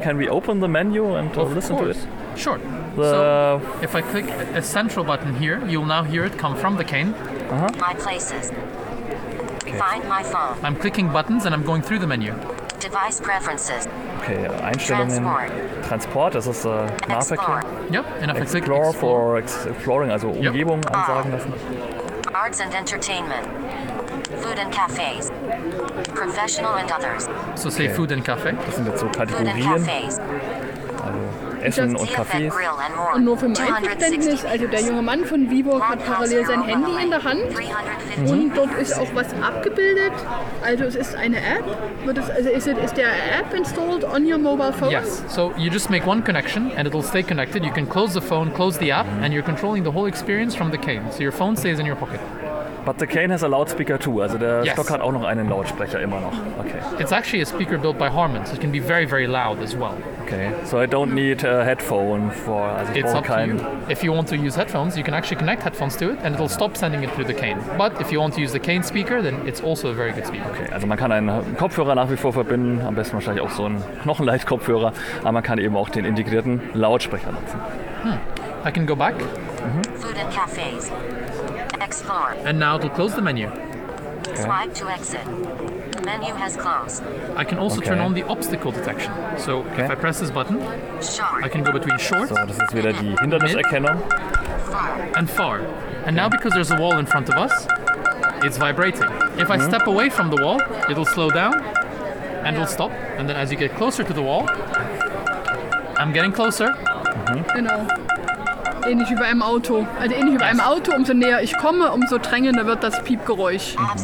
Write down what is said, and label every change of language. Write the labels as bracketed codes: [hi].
[en] Can we open the menu and listen course. To it? Sure. So, if I click a central button here, you'll now hear it come from the cane. Uh-huh. My places. Okay. Find my phone. I'm clicking buttons and I'm going through the menu. Device preferences. [de] Okay, Einstellungen. Transport, das ist Nahverkehr. [en] Yep, and explore for exploring, also yep. [de] Umgebung ansagen lassen. [en] Arts and entertainment. Food and cafes. Professional and others. So say okay. Food and cafe. [de] Das sind jetzt so Kategorien. Essen und Kaffee. Und nur für mein Verständnis, also der junge Mann von WeWalk hat parallel sein Handy in der Hand und dort ist auch was abgebildet. Also es ist eine App. Ist der App [en] installed on your mobile phone? Yes. So you just make one connection and it'll stay connected. You can close the phone, close the app and you're controlling the whole experience from the cane. So your phone stays in your pocket. But the cane has a loudspeaker too. [de] Also der yes. Stock hat auch noch einen Lautsprecher immer noch. Okay. [en] It's actually a speaker built by Harman, so it can be very, very loud as well. Okay. So I don't need a headphone for... Also it's up kein... to you. If you want to use headphones, you can actually connect headphones to it and it'll stop sending it through the cane. But if you want to use the cane speaker, then it's also a very good speaker. [de] Okay, also man kann einen Kopfhörer nach wie vor verbinden, am besten wahrscheinlich auch so einen Knochenleitkopfhörer, aber man kann eben auch den integrierten Lautsprecher nutzen. [en] I can go back. Mm-hmm. Food and cafes. Explore. And now it'll close the menu. Okay. Swipe to exit. Menu has closed. I can also turn on the obstacle detection. So okay. If I press this button, short. I can go between short. [de] So, das ist wieder die Hinderniserkennung. [en] Far. And far. And okay. Now because there's a wall in front of us, it's vibrating. If I step away from the wall, it'll slow down and it'll stop. And then as you get closer to the wall, I'm getting closer. [de] Genau. Ähnlich wie bei einem Auto. Also ähnlich wie bei einem Auto, umso näher ich komme, umso drängender wird das Piepgeräusch.